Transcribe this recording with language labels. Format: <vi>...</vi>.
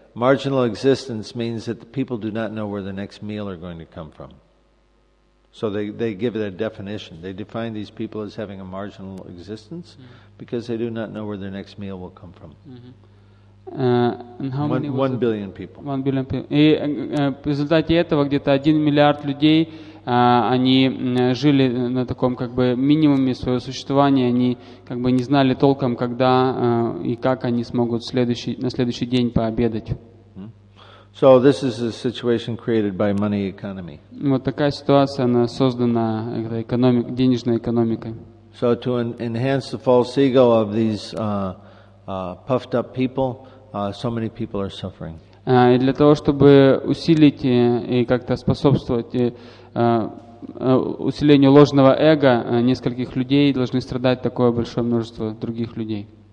<en>Marginal existence means that the people do not know where the next meal are going to come from. So they give it a definition. They define these people as having a marginal existence because they do not know where their next meal will come from. And how many? One billion people. 1 billion people.</en> <ru>И в результате этого где-то 1 миллиард людей они жили на таком как бы минимуме своего существования. Они как бы не знали толком, когда и как они смогут на следующий день пообедать.</ru> <en>So this is a situation created by money economy.</en> <ru>Вот такая ситуация, она создана денежной экономикой.</ru> <en>So to enhance the false ego of these puffed up people. So many people are suffering.</en> <ru>И для того, чтобы усилить и как-то способствовать усилению ложного эго нескольких людей, должны страдать такое большое множество других людей.</ru>